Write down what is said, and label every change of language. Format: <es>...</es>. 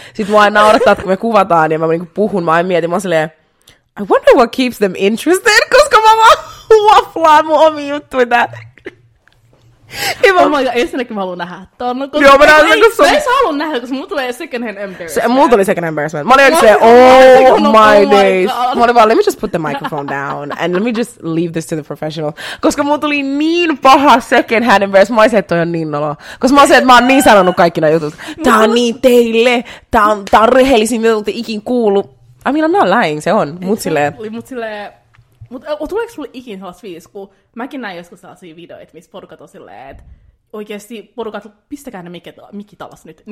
<fi>Sitten mua aina naurattaa, kun me kuvataan ja mä niin kuin puhun. Mä aina mietin, mä olin silleen,</fi> <en>I wonder what keeps them interested,</en> <fi>koska mä vaan wafflaan mun omiin juttuja.</fi> <en>Oh my god,</en> <fi>ensinnäkin mä haluun nähdä ton. Joo, mä näen sen, kun sun... Mä ees haluun nähdä, koska mulla tulee</fi> <en>second hand embarrassment.</en> <fi>Mulla tuli</fi> <en>second hand embarrassment.</en> <fi>Mä olin silleen,</fi> <en>oh my days.</en> <fi>Mä olin vaan,</fi> <en>let me just put the microphone down. And let me just leave this to the professional.</en> <fi>Koska mulla tuli niin paha</fi> <en>second hand embarrassment.</en> <fi>Mä olin silleen, että toi on niin noloa. Koska mä olin silleen, että mä oon niin sanonut kaikki nää jutut. Tää on niin teille. Tää on rehellisin, mitä olette ikin kuullut.</fi> <en>I mean, I'm not lying,</en> <fi>se on. Mutta tuleeko sulle ikin sellaista fiilis, kun mäkin näin joskus sellaisia videoita, missä porukat on silleen, että oikeasti porukat, pistäkää ne mikit alas nyt.</fi>